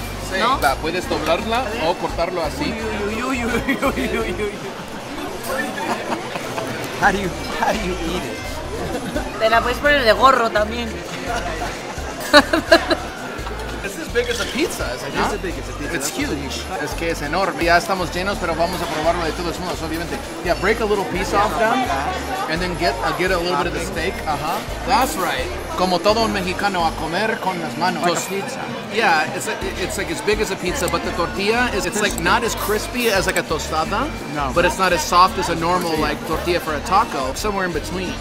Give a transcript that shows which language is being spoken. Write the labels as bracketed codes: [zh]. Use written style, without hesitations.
[es] Say, no? La puedes doblarla o cortarlo así. [en] How do you eat it? [es] Te la puedes poner de gorro también. [en] It's as big as a pizza, isn't it? It's as big as a pizza. It's huge. [es] Es que es enorme. Ya estamos llenos, pero vamos a probarlo de todos modos, obviamente. [en] Yeah, break a little piece off down, and then get a little bit of the steak. Uh-huh. That's right. [es] Como todo un mexicano, a comer con las manos. [en] Like a pizza. Yeah, it's like as big as a pizza, but the tortilla, it's like not as crispy as like a tostada, no. But it's not as soft as a normal like tortilla for a taco, somewhere in between.